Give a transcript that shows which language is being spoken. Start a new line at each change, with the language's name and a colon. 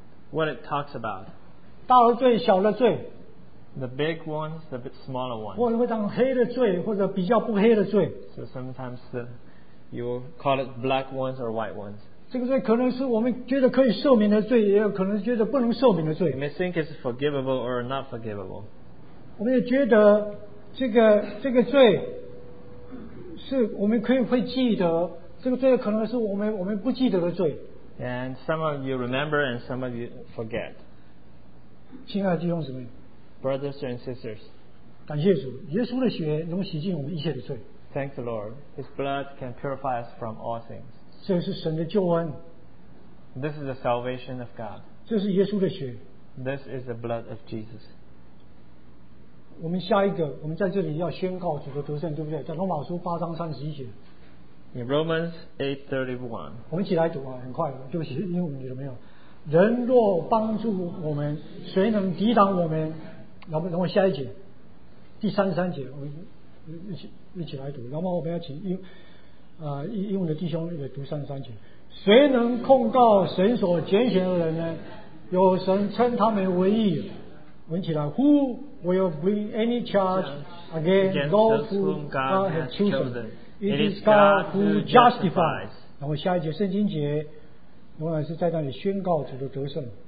English: What it talks about.
Chinese: 大的罪，小的罪。
English: The big ones, the smaller ones.
Chinese: 或者会当黑的罪，或者比较不黑的罪。
English: So sometimes the, you call it black ones or white ones.
Chinese: 这个罪可能是我们觉得可以赦免的罪，也有可能觉得不能赦免的罪。
English: You may think it's forgivable or not forgivable.
Chinese: 我们也觉得这个罪是我们可以会记得，这个罪可能是我们不记得的罪。
English: And some of you remember and some of you forget.
Chinese: 亲爱的弟兄姊妹。
English: Brothers and sisters,
Chinese: 感谢主，耶稣的血能洗净我们一切的罪。
English: Thank the Lord, His blood can purify us from all things.
Chinese: 这是神的救恩。
English: This is the salvation of God.
Chinese: 这是耶稣的血。
English: This is the blood of Jesus.
Chinese: 我们下一个，我们在这里要宣告主的得胜，对不对？在罗马书八章三十一节。
English: In Romans 8:31.
Chinese: 我们一起来读啊，很快，对不起，因为我们觉得没有。人若帮助我们，谁能抵挡我们？然后，下一节，第三十三节，我们一起来读。然后我们要请英文的弟兄也读三十三节。谁能控告神所拣选的人呢？有神称他们为义。问起来
English: ，Who will bring any charge against those whom God has chosen? It is God who justifies.
Chinese: 然后下一节圣经节，永远是在那里宣告主的得胜。